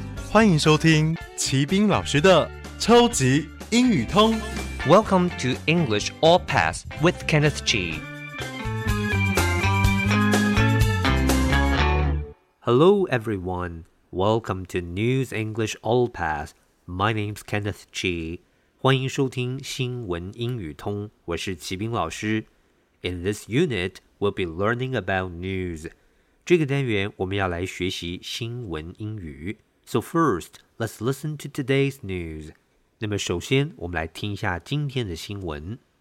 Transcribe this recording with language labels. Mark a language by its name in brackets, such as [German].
[Chinese] 欢迎收听齐宾老师的超级英语通。 [English] Welcome to English All Pass with Kenneth G. Hello, everyone. Welcome to News English All Pass. My name's Kenneth G. [Chinese] 欢迎收听新闻英语通。我是齐宾老师。 [English] In this unit, we'll be learning about news. [Chinese] 这个单元我们要来学习新闻英语。 [English] So first, let's listen to today's news. [Chinese] 那么首先我们来听一下今天的新闻。